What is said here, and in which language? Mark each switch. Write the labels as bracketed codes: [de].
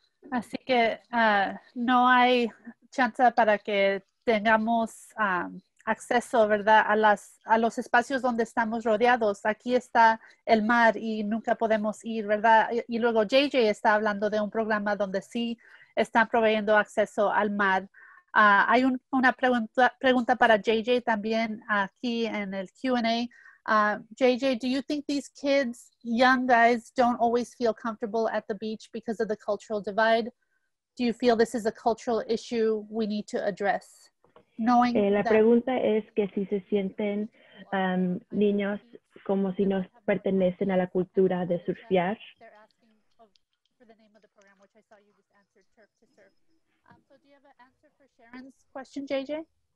[es] Así que no hay chance para que tengamos acceso, ¿verdad?, a los espacios donde estamos rodeados. Aquí está el mar y nunca podemos ir, ¿verdad? Y luego JJ está hablando de un programa donde sí están proveyendo acceso al mar. Hay una pregunta para JJ también aquí en el Q&A. [en] JJ, do you think these kids, young guys, don't always feel comfortable at the beach because of the cultural divide? Do you feel this is a cultural issue we need to address? [es] Knowing la pregunta es que si se sienten niños como si no pertenecen a la cultura de surfear. [en] They're asking for the name of the program, which I saw you just answered, Turf to Surf. So do you have an answer for Sharon's question, JJ?